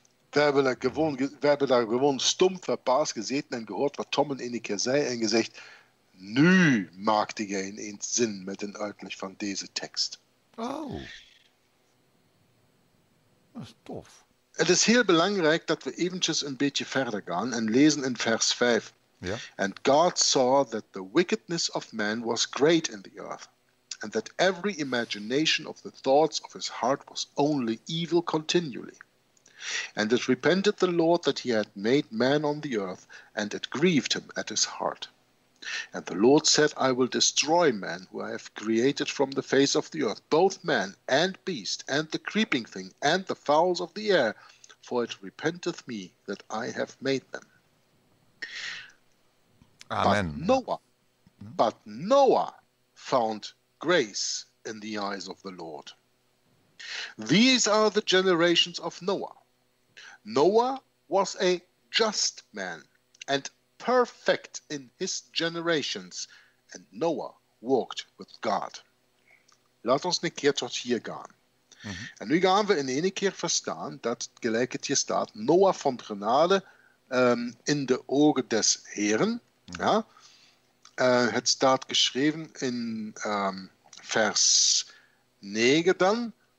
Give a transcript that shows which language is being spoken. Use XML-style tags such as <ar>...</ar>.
<nl>We hebben daar gewoon stom verbaasd gezeten en gehoord wat Tom een keer zei en gezegd, nu maakte jij ineens zin met een uitleg van deze tekst. Oh. Dat is tof. Het is heel belangrijk dat we eventjes een beetje verder gaan en lezen in vers 5. Ja?</nl> <en>And God saw that the wickedness of man was great in the earth. And that every imagination of the thoughts of his heart was only evil continually. And it repented the Lord that he had made man on the earth, and it grieved him at his heart. And the Lord said, I will destroy man who I have created from the face of the earth, both man and beast, and the creeping thing, and the fowls of the air, for it repenteth me that I have made them. Amen. But Noah found grace in the eyes of the Lord. These are the generations of Noah. Noah was a just man and perfect in his generations, and Noah walked with God.</en> <nl>Laat ons een keer tot hier gaan. Mm-hmm. En nu gaan we in ene keer verstaan dat, gelijk het hier staat, Noah vond genade in de ogen des Heren. Mm-hmm. Ja? Het staat geschreven in vers 9 dan.</nl>